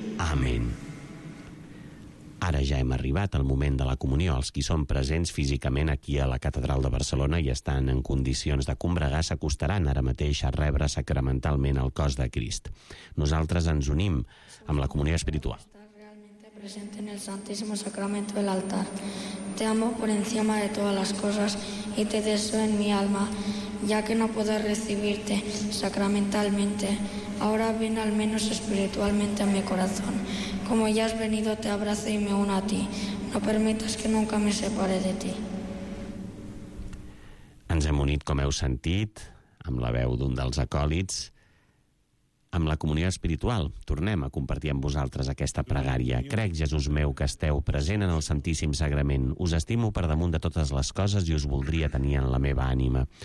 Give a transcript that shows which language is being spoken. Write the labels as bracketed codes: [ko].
[ca] Amén. Ara ja hem arribat al moment de la comunió. Els qui són presents físicament aquí a la Catedral de Barcelona i estan en condicions de combregar s'acostaran ara mateix a rebre sacramentalment el cos de Crist. Nosaltres ens unim amb la comunió espiritual. [es] Presente en el Santísimo Sacramento del altar. Te amo por encima de todas las cosas y te deseo en mi alma, ya que no puedo recibirte sacramentalmente. Ahora ven al menos espiritualmente a mi corazón. Como ya has venido, te abrazo y me uno a ti. No permitas que nunca me separe de ti. [ca] Ens hem unit, com heu sentit, amb la veu d'un dels acòlits, amb la comunió espiritual. Tornem a compartir amb vosaltres aquesta pregària. Crec, Jesús meu, que esteu present en el Santíssim Sagrament. Us estimo per damunt de totes les coses i us voldria tenir en la meva ànima.